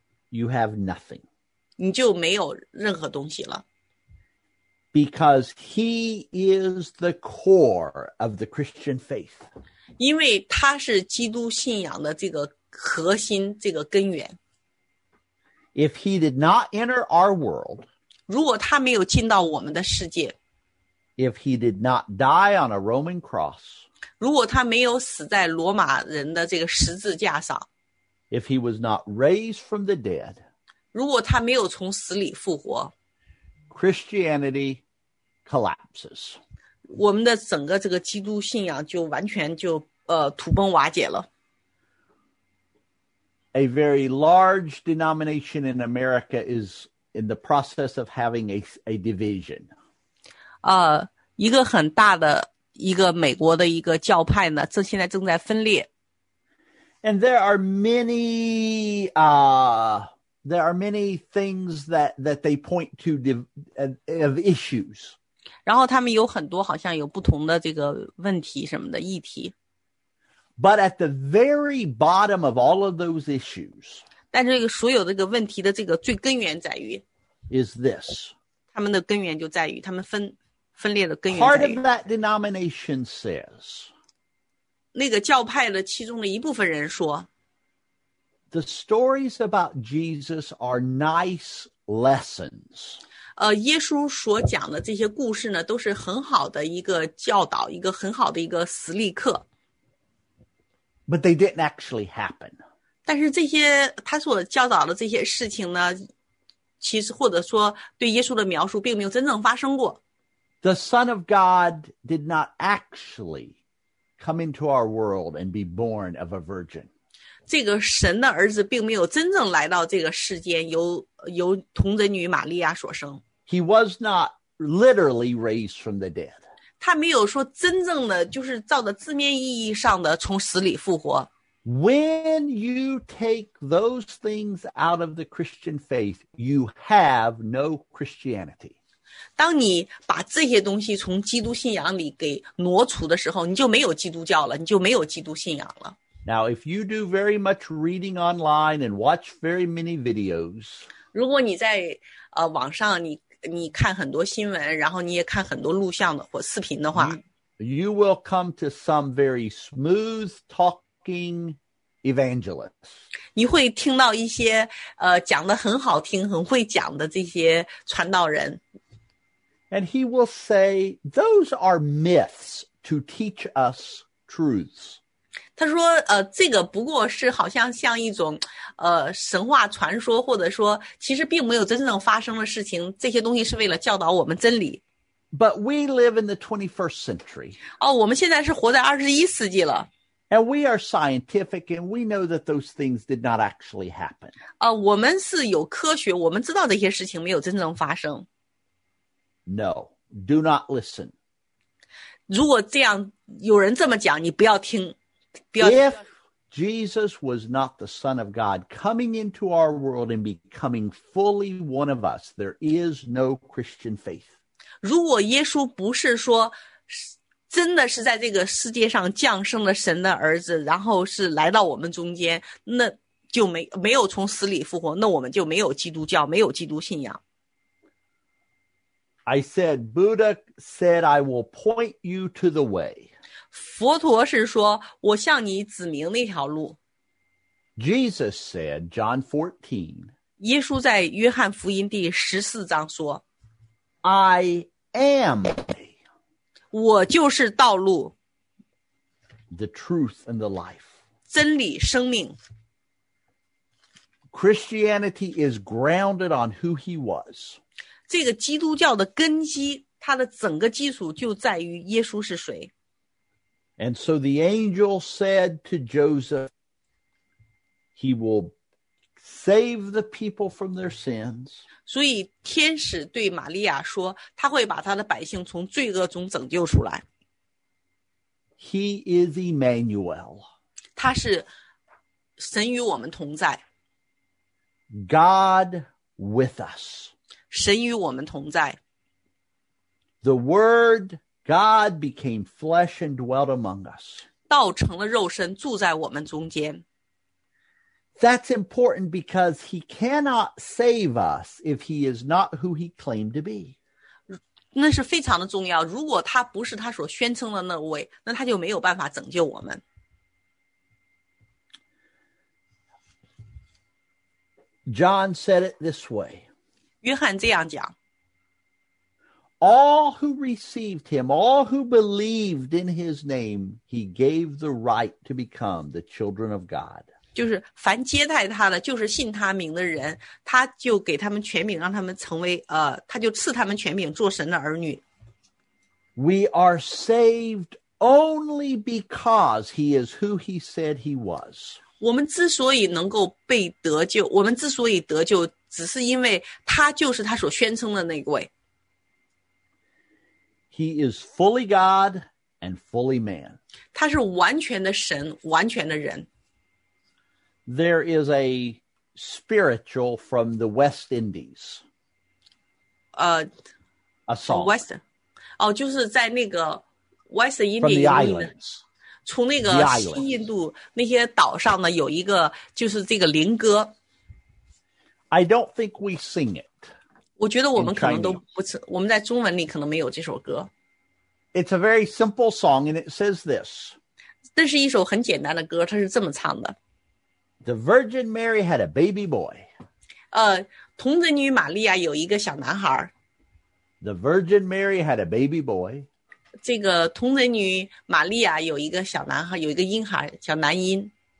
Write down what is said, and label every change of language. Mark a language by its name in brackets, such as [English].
[English] you have nothing. [Chinese] 你就没有任何东西了。 [English] Because he is the core of the Christian faith. [Chinese] 因为他是基督信仰的这个核心，这个根源。 [English] If he did not enter our world, [Chinese] 如果他没有进到我们的世界， [English] if he did not die on a Roman cross, [Chinese] 如果他没有死在罗马人的这个十字架上， [English] if he was not raised from the dead, [Chinese] 如果他没有从死里复活， [English] Christianity collapses. [Chinese] 我们的整个这个基督信仰就完全就土崩瓦解了。 [English] A very large denomination in America is in the process of having a division. [Chinese] 一个很大的一个美国的一个教派呢，这现在正在分裂。 [English] And there are many, things that they point to of issues. [Chinese] 然后他们有很多好像有不同的这个问题什么的议题。 [English] But at the very bottom of all of those issues, [Chinese] 但这个所有这个问题的这个最根源在于 [English] is this. [Chinese] 他们的根源就在于他们分裂的根源。 [English] Part of that denomination says, [Chinese] 那个教派的其中的一部分人说 [English] the stories about Jesus are nice lessons. [Chinese] 耶稣所讲的这些故事呢，都是很好的一个教导，一个很好的一个实例课。 [English] But they didn't actually happen. [Chinese] 但是这些他所教导的这些事情呢，其实或者说对耶稣的描述并没有真正发生过。 [English] The Son of God did not actually come into our world and be born of a virgin. [Chinese] 这个神的儿子并没有真正来到这个世间，由童贞女玛利亚所生。 [English] He was not literally raised from the dead. [Chinese] 他没有说真正的，就是照着字面意义上的从死里复活。 [English] When you take those things out of the Christian faith, you have no Christianity. [Chinese] 当你把这些东西从基督信仰里给挪除的时候，你就没有基督教了，你就没有基督信仰了。 [English] Now, if you do very much reading online and watch very many videos, [Chinese] 如果你在网上你看很多新闻，然后你也看很多录像的或视频的话， [English] you will come to some very smooth talk. Evangelists. [Chinese] 你会听到一些讲得很好听很会讲的这些传道人。 [English] And he will say, those are myths to teach us truths. [Chinese] 他说这个不过是好像像一种神话传说，或者说其实并没有真正发生的事情，这些东西是为了教导我们真理。 [English] But we live in the 21st century. [Chinese] 哦，我们现在是活在21世纪了。 [English] And we are scientific, and we know that those things did not actually happen. [Chinese] 我们是有科学，我们知道这些事情没有真正发生。 [English] No, do not listen. [Chinese] 如果这样，有人这么讲，你不要听，不要听。 [English] If Jesus was not the Son of God coming into our world and becoming fully one of us, there is no Christian faith. [Chinese] 如果耶稣不是说真的是在这个世界上降生的神的儿子，然后是来到我们中间，那就没有从死里复活，那我们就没有基督教，没有基督信仰。 [English] I said, Buddha said, I will point you to the way. [Chinese] 佛陀是说，我向你指明那条路。 [English] Jesus said, John 14. [Chinese] 耶稣在约翰福音第十四章说， [English] I am. [Chinese] 我就是道路 [English] ，the truth and the life， [Chinese] 真理生命。 [English] Christianity is grounded on who he was。 [Chinese] 这个基督教的根基，它的整个基础就在于耶稣是谁。 [English] And so the angel said to Joseph, he will save the people from their sins。 [Chinese] 所以天使对玛利亚说，他会把他的百姓从罪恶中拯救出来。 [English] He is Emmanuel. [Chinese] 他是神与我们同在。 [English] God with us. [Chinese] 神与我们同在。 [English] The word God became flesh and dwelt among us. [Chinese] 道成了肉身，住在我们中间。 [English] That's important because he cannot save us if he is not who he claimed to be. [Chinese] 那是非常的重要，如果他不是他所宣称的那位，那他就没有办法拯救我们。 [English] John said it this way. [Chinese] 约翰这样讲。 [English] All who received him, all who believed in his name, he gave the right to become the children of God. [Chinese] 就是凡接待他的，就是信他名的人，他就给他们权柄，让他们成为他就赐他们权柄做神的儿女。 [English] We are saved only because he is who he said he was. [Chinese] 我们之所以能够被得救，我们之所以得救，只是因为他就是他所宣称的那位。 [English] He is fully God and fully man. [Chinese] 他是完全的神，完全的人。 [English] There is a spiritual from the West Indies. A song. [Chinese] West. 哦，就是在那个 West Indies. [English] From the islands. [Chinese] 从那个西印度那些岛上呢，有一个就是这个灵歌。 [English] I don't think we sing it. [Chinese] 我觉得我们可能都不是，我们在中文里可能没有这首歌。 [English] It's a very simple song, and it says this. [Chinese] 这是一首很简单的歌，它是这么唱的。 [English] The Virgin Mary had a baby boy. [Chinese] 童贞女玛利亚有一个小男孩。 [English] The Virgin Mary had a baby boy. [Chinese] 这个童贞女玛利亚有一个小男孩，有一个婴孩，小男婴。